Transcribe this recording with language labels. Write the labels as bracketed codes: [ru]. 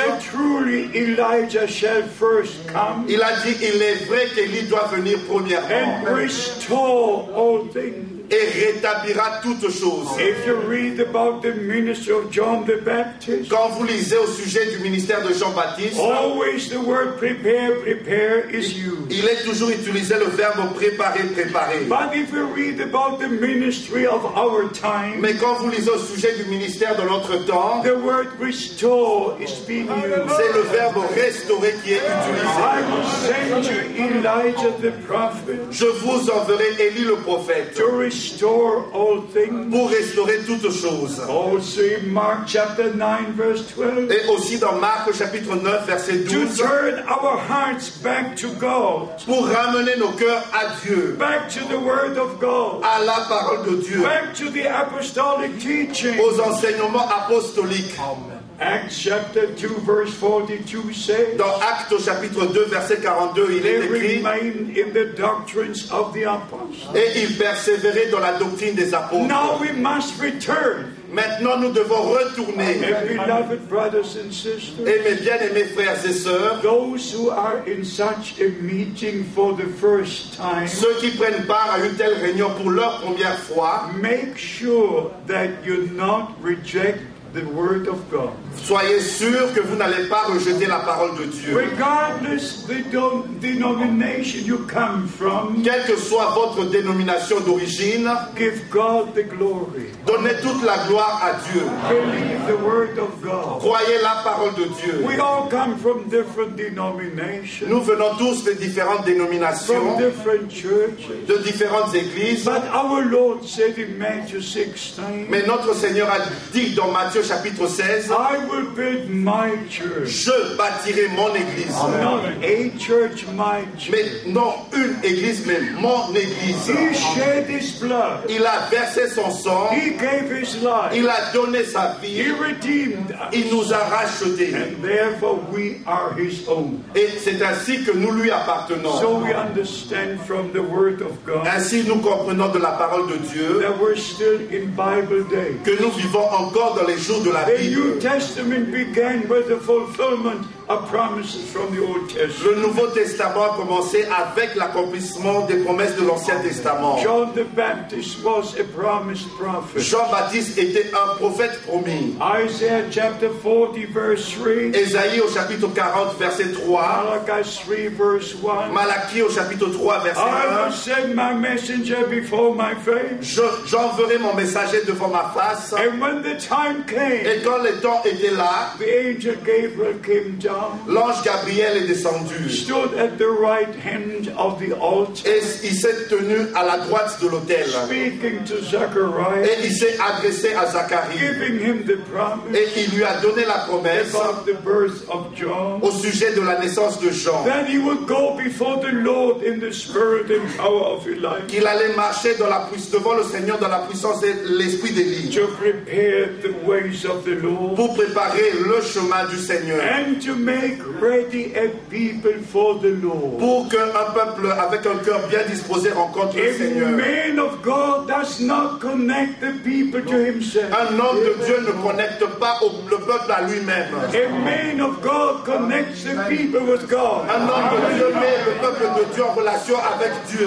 [en] Said truly Elijah shall first come. [fr] Il a dit il est vrai qu'Élie doit venir premièrement. [en] And restore all things. [fr] Et rétablira toutes choses. [en] If you read about the ministry of John the Baptist, [fr] quand vous lisez au sujet du ministère de Jean-Baptiste, [en] always the word prepare, prepare is used. [fr] Il est toujours utilisé le verbe préparer, préparer. [en] But if you read about the ministry of our time, [fr] mais quand vous lisez au sujet du ministère de notre temps, [en] the word restore is being used. [fr] C'est le verbe restaurer qui est utilisé. [en] I will send you Elijah the prophet. [fr] Je vous enverrai Élie le prophète. [en] Restore all things. [fr] Pour restaurer toutes choses. [en] Also in Mark chapter 9 verse 12. [fr] Et aussi dans Marc chapitre 9 verset 12. [en] To turn our hearts back to God. [fr] Pour ramener nos cœurs à Dieu. [en] Back to the word of God. [fr] À la parole de Dieu. [en] Back to the apostolic teaching. [fr] Aux enseignements apostoliques. [en] Amen. Acts chapter 2 verse 42 says. [fr] Dans Actes chapitre 2 verset 42, il est écrit. [en] They remained in the doctrines of the apostles. [fr] Et ils persévéraient dans la doctrine des apôtres. [en] Now we must return. [fr] Maintenant, nous devons retourner. Et mes bien-aimés frères et sœurs, ceux qui prennent part à une telle réunion pour leur première fois, [en] make sure that you not reject the word of God. [fr] Soyez sûr que vous n'allez pas rejeter la parole de Dieu. [en] Regardless the denomination you come from, [fr] quelle que soit votre dénomination d'origine, [en] give God the glory. [fr] Donnez toute la gloire à Dieu. [en] Believe the word of God. [fr] Croyez la parole de Dieu. [en] We all come from different denominations. [fr] Nous venons tous de différentes dénominations, [en] from different churches, [fr] de différentes églises. [en] But our Lord said in Matthew 16, [fr] mais notre Seigneur a dit dans Matthieu chapitre 16, [en] I will build my church. [fr] Je bâtirai mon église. [en] Not a church, my church. [fr] Mais non, une église, mais mon église. [en] He shed his blood. [fr] Il a versé son sang. [en] He gave his life. [fr] Il a donné sa vie. [en] He redeemed us. [fr] Il nous a rachetés. [en] And therefore we are his own. [fr] Et c'est ainsi que nous lui appartenons. [en] So we understand from the word of God. [fr] Ainsi nous comprenons de la parole de Dieu. [en] That we're still in Bible day. [fr] Que nous vivons encore dans les jours de la Bible. [en] Testament began with the fulfillment of promises from the Old Testament. [fr] Le Nouveau Testament a commencé avec l'accomplissement des promesses de l'Ancien Testament. [en] John the Baptist was a promised prophet. [fr] Jean-Baptiste était un prophète promis. [en] Isaiah chapter 40 verse 3. [fr] Ésaïe au chapitre 40 verset 3. [en] Malachi 3 verse 1. [fr] Malachie au chapitre 3 verset 1. [en] I will send my messenger before my face. [fr] J'enverrai mon messager devant ma face. [en] And when the time came. [fr] Et quand le temps était là. [en] The angel Gabriel came down. [fr] L'ange Gabriel est descendu. [en] Stood at the right hand of the altar. [fr] Et il s'est tenu à la droite de l'autel. [en] Speaking to Zachariah. [fr] Et il s'est adressé à Zacharie. [en] Giving him the promise. [fr] Et il lui a donné la promesse. [en] About the birth of John. [fr] Au sujet de la naissance de Jean. [en] That he would go before the Lord in the spirit and power of Elijah. [fr] Qu'il allait marcher dans la puissance devant le Seigneur dans la puissance et l'esprit d'Élie. [en] To prepare the ways of the Lord. [fr] Pour préparer le chemin du Seigneur. [en] And to make ready a people for the Lord. [fr] Pour qu'un peuple avec un cœur bien disposé rencontre le Seigneur. [en] A man of God does not connect the people to himself. [fr] Un homme de Dieu ne connecte pas le peuple à lui-même. [en] A man of God connects the people with God. [fr] Un homme de Dieu met le peuple de Dieu en relation avec Dieu.